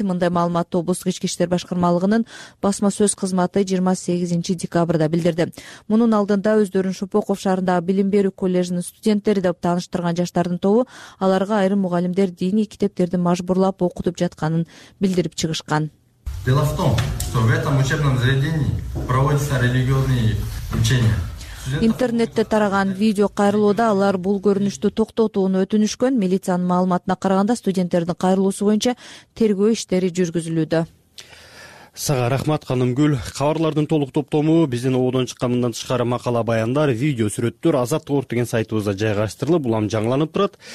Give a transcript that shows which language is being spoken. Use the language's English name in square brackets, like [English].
[Kyrgyz] Мындай маалыматты облустук ички иштер башкармалыгынын басма сөз кызматы 28 декабрда билдирди. Мунун алдында өздөрүн Шопоков шаарындагы билим берүү коллежинин студенттери деп тааныштырган жаштардын тобу аларга айрым мугалимдер диний китептерди мажбурлап окутуп жатканын билдирип чыгышкан. [Russian] Дело в том, что в этом учебном заведении проводятся религиозные учения. [Kyrgyz] Интернетте тараган видео кайрылууда алар бул көрүнүштү токтотууну өтүнүшкөн. Милициянын маалыматына караганда студенттердин кайрылуусу боюнча тергөө иштери жүргүзүлүүдө. Сага рахмат Канымгүл. Кабарлардын толук топтому, биздин оодон чыккан мындан тышкары макала, баяндар, видео сүрөттөр азаттык.org деген сайтыбызда жайгаштырылып, улам жаңыланып турат.